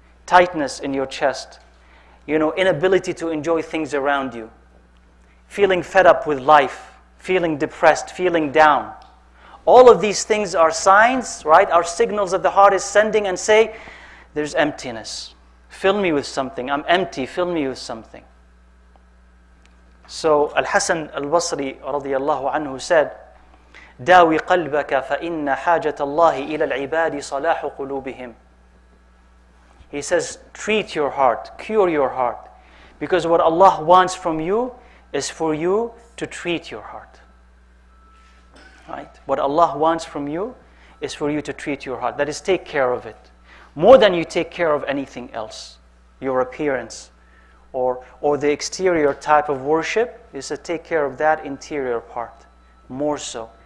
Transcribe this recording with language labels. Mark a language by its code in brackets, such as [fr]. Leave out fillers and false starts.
[en] Tightness in your chest. You know, inability to enjoy things around you. Feeling fed up with life. Feeling depressed. Feeling down. All of these things are signs, right? Are signals that the heart is sending and say, there's emptiness. Fill me with something. I'm empty. Fill me with something. So Al-Hasan Al-Basri radiyallahu anhu said, [ar] دَاوِ قَلْبَكَ فَإِنَّ حَاجَةَ اللَّهِ إِلَى الْعِبَادِ صَلَاحُ قُلُوبِهِمْ. [en] He says, treat your heart, cure your heart. Because what Allah wants from you is for you to treat your heart. Right? What Allah wants from you is for you to treat your heart. That is, take care of it. More than you take care of anything else, your appearance or the exterior type of worship, is to take care of that interior part more so.